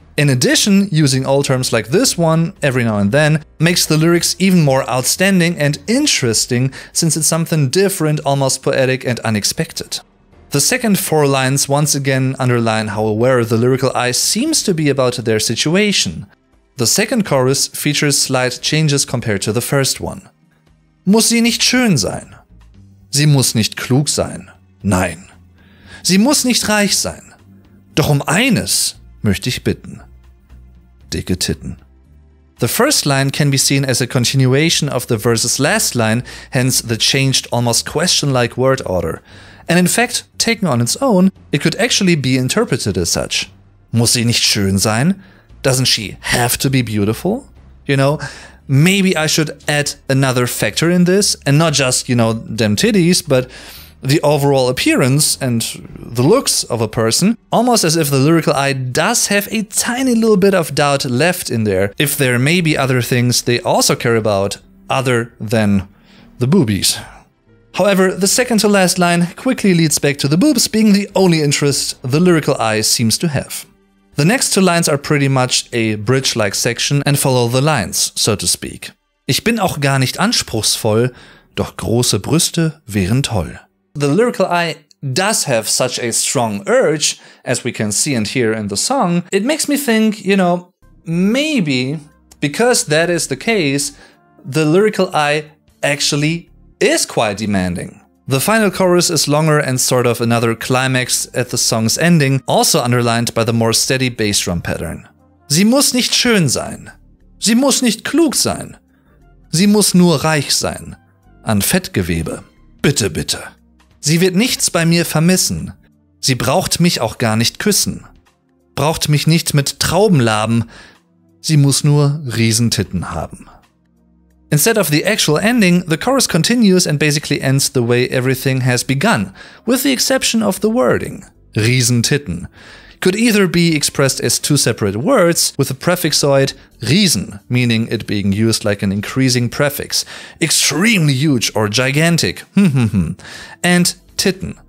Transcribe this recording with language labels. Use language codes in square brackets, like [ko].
[en] In addition, using old terms like this one every now and then makes the lyrics even more outstanding and interesting, since it's something different, almost poetic and unexpected. The second four lines once again underline how aware the lyrical eye seems to be about their situation. The second chorus features slight changes compared to the first one. [de] Muss sie nicht schön sein? Sie muss nicht klug sein? Nein. Sie muss nicht reich sein? Doch eines möchte ich bitten. Dicke Titten. [en] The first line can be seen as a continuation of the verse's last line, hence the changed, almost question-like word order. And in fact, taken on its own, it could actually be interpreted as such. [de] Muss sie nicht schön sein? [en] Doesn't she have to be beautiful? You know, maybe I should add another factor in this, and not just, you know, them titties, but the overall appearance and the looks of a person, almost as if the lyrical eye does have a tiny little bit of doubt left in there, if there may be other things they also care about other than the boobies. However, the second to last line quickly leads back to the boobs being the only interest the lyrical eye seems to have. The next two lines are pretty much a bridge-like section and follow the lines, so to speak. [de] Ich bin auch gar nicht anspruchsvoll, doch große Brüste wären toll. [en] The lyrical eye does have such a strong urge, as we can see and hear in the song. It makes me think, you know, maybe because that is the case, the lyrical eye actually is quite demanding. The final chorus is longer and sort of another climax at the song's ending, also underlined by the more steady bass drum pattern. [de] Sie muss nicht schön sein. Sie muss nicht klug sein. Sie muss nur reich sein. An Fettgewebe. Bitte, bitte. Sie wird nichts bei mir vermissen. Sie braucht mich auch gar nicht küssen. Braucht mich nicht mit Trauben laben. Sie muss nur Riesentitten haben. [en] Instead of the actual ending, the chorus continues and basically ends the way everything has begun, with the exception of the wording. Riesentitten could either be expressed as two separate words, with a prefixoid Riesen, meaning it being used like an increasing prefix, extremely huge or gigantic, and Titten.